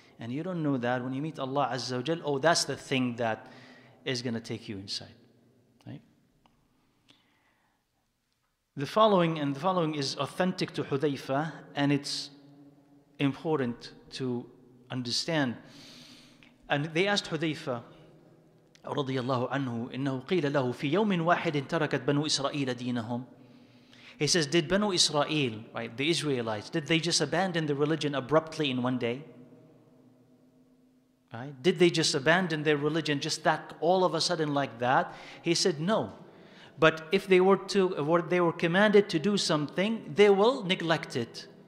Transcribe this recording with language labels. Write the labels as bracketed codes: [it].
[en] And you don't know that when you meet Allah Azza wa Jal, oh, that's the thing that is going to take you inside. The following is authentic to Hudhayfa, and it's important to understand. And they asked Hudhayfa, radiyallahu anhu, [ar] إنه قيل له في يوم واحد تركت بنو إسرائيل دينهم. [en] He says, did Banu Israel, right, the Israelites, did they just abandon the religion abruptly in one day? Right? Did they just abandon their religion just that all of a sudden like that? He said, no. But if they were to, what they were commanded to do something, they will neglect it.